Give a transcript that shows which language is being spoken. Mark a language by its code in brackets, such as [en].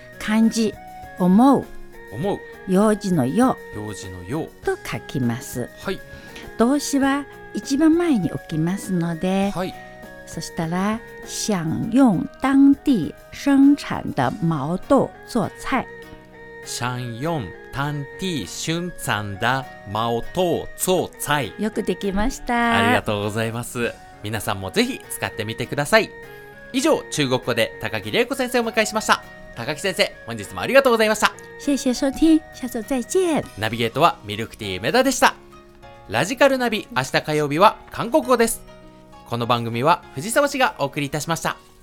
[ja] 漢字、思う、思う、用事の用、用事の用と書きます。はい、動詞は一番前に置きますので、はい、そしたら [zh] 想用当地生产的毛豆做菜。想用当地生产的毛豆做菜。 [ja] よくできました。ありがとうございます。皆さんもぜひ使ってみてください。以上、中国語で高木玲子先生をお迎えしました。高木先生、本日もありがとうございました。 [zh] 谢谢收听，下次再见。 [ja] ナビゲートはミルクティー梅田でした。ラジカルナビ、明日火曜日は韓国語です。この番組は藤沢氏がお送りいたしました。